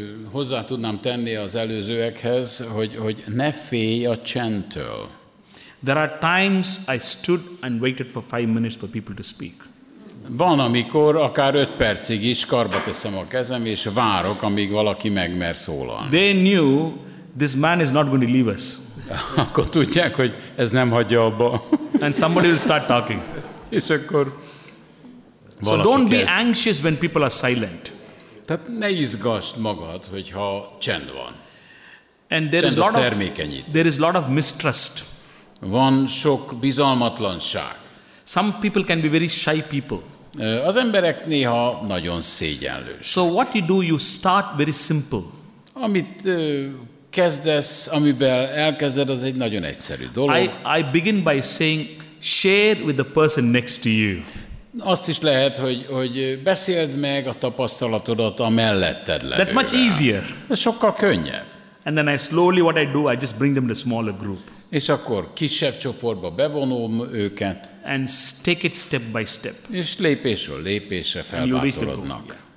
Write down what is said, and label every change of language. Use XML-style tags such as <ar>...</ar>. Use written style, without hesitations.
<hu>Hozzá tudnám tenni az előzőekhez, hogy ne félj a csendtől.</hu> <en>There are times I stood and waited for 5 minutes for people to speak.</en> <hu>Van, amikor akár 5 percig is karba teszem a kezem és várok, amíg valaki megmer szólalni.</hu> <en>They knew this man is not going to leave us.</en> <hu>Akkor tudják, hogy ez nem hagyja abba.</hu> <en>And somebody will start talking.</en> <hu>És akkor valaki.</hu> <en>So don't be anxious when people are silent.</en> <hu>Tehát ne izgasd magad, hogyha csend van.</hu> <en>And there is a lot of mistrust.</en> <hu>Van sok bizalmatlanság.</hu> <en>Some people can be very shy people.</en> <hu>Az emberek néha nagyon szégyenlős.</hu> <en>So what you do, you start very simple.</en> <hu>Amit kezdesz, amiben elkezded, az egy nagyon egyszerű dolog.</hu> <en>I begin by saying, share with the person next to you.</en> <hu>Azt is lehet, hogy beszéld meg a tapasztalatodat a melletted levővel.</hu> <en>That's much easier.</en> <hu>Sokkal könnyebb.</hu> <en>And then I slowly what I do, I just bring them to a smaller group.</en> <hu>És akkor kisebb csoportba bevonom őket.</hu> <en>And take it step by step.</en> <hu>És lépésről lépésre felbátorodnak.</hu>